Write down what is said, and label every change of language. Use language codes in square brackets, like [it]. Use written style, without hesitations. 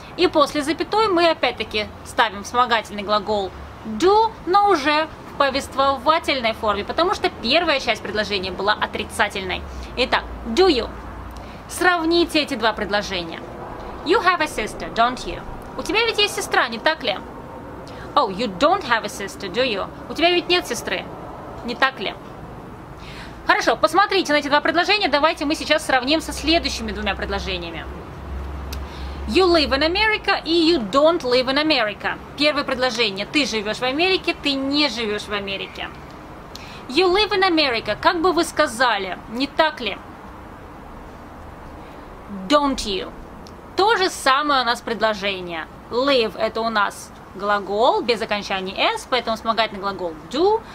[ru] И после запятой мы опять-таки ставим вспомогательный глагол do, но уже повествовательной форме, потому что первая часть предложения была отрицательной. Итак, [en] do you? [ru] Сравните эти два предложения. [en] You have a sister, don't you? [ru] У тебя ведь есть сестра, не так ли? [en] Oh, you don't have a sister, do you? [ru] У тебя ведь нет сестры, не так ли? Хорошо, посмотрите на эти два предложения, давайте мы сейчас сравним со следующими двумя предложениями. [en] You live in America и you don't live in America. [ru] Первое предложение. Ты живешь в Америке, ты не живешь в Америке. [en] You live in America. [ru] Как бы вы сказали, не так ли? [en] Don't you? [ru] То же самое у нас предложение. Live – это у нас глагол без окончания s, поэтому вспомогательный глагол do.